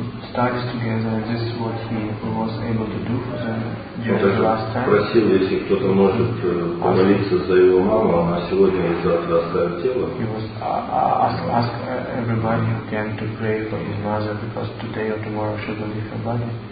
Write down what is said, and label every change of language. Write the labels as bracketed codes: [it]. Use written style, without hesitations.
[en] Studies together, this is what he was able to do for the last time. [ru] Просил, если кто-то может помолиться за его маму, она сегодня и завтра оставит тело. [en] He was ask everybody who can to pray for his mother, because today or tomorrow she will leave her body.